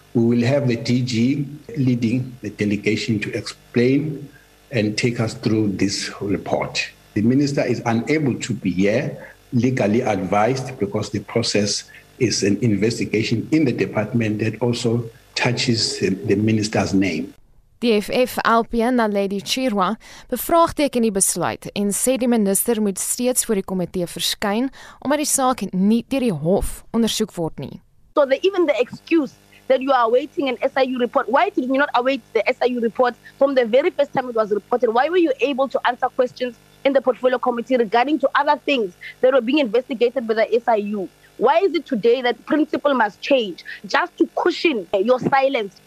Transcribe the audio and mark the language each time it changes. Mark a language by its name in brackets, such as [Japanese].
[English] We will have the DG leading the delegation to explain and take us through this report. The minister is unable to be here legally advised because the process is an investigation in the department that also touches the minister's name. [Afrikaans] Die FF LPN Lady Chirwa bevraagteken die besluit en sê die minister moet steeds voor die komitee verskyn omdat die saak nie deur die hof ondersoek word nie. [English] So even the excuse that you are awaiting an SIU report, why did you not await the SIU report from the very first time it was reported? Why were you able to answer questions in the portfolio committee regarding to other things that were being investigated by the SIU? Why is it today that principle must change just to cushion your silence?